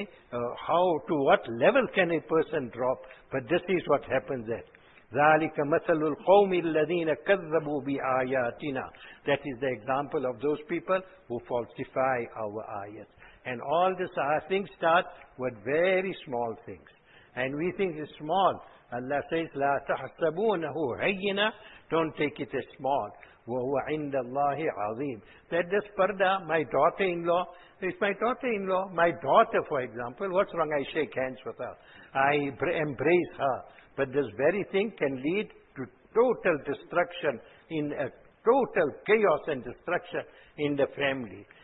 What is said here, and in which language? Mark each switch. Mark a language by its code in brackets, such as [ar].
[en] How to what level can a person drop? But this is what happens there. [ar] ذَلِكَ مَثَلُ الْقَوْمِ الَّذِينَ كَذَّبُوا بِآيَاتِنَا. [en] That is the example of those people who falsify our ayat. And all these things start with very small things. And we think it's small. Allah says, [ar] لَا تَحْسَبُونَهُ هَيِّنًا. [en] Don't take it as small. [ar] وَهُوَ عِنْدَ اللَّهِ عَظِيمٌ. [en] That this parda, my daughter-in-law, it's my daughter-in-law, my daughter, for example, what's wrong? I shake hands with her. I embrace her. But this very thing can lead to total destruction, in a total chaos and destruction in the family.